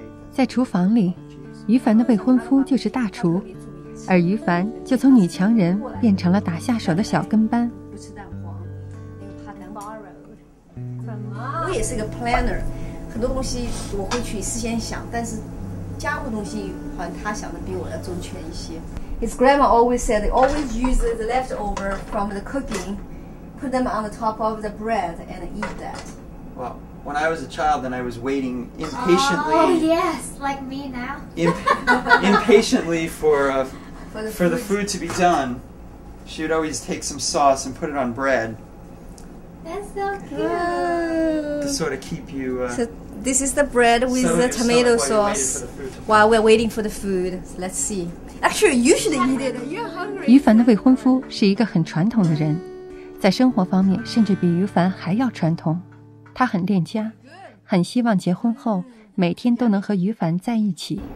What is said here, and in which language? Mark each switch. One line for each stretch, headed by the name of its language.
Chinese: 在厨房里，于凡的未婚夫就是大厨，而于凡就从女强人变成了打下手的小跟班。不吃蛋黄，我也是个 planner， 很多东西我会去事先想，但是家务东西好像他想的比我要周全一些。
English: His grandma always said they always use the leftover from the cooking, put them on the top of the bread and eat that. Well, when I was a child and I was waiting impatiently. Oh yes, like me now. impatiently for the food to be done, she would always take some sauce and put it on bread. That's so cute. To sort of keep you. This is the bread with the tomato sauce while we're waiting for the food. Let's see. Actually, you should eat it. You're hungry.
Chinese: 于凡的未婚夫是一个很传统的人，在生活方面甚至比于凡还要传统。他很恋家，很希望结婚后每天都能和于凡在一起。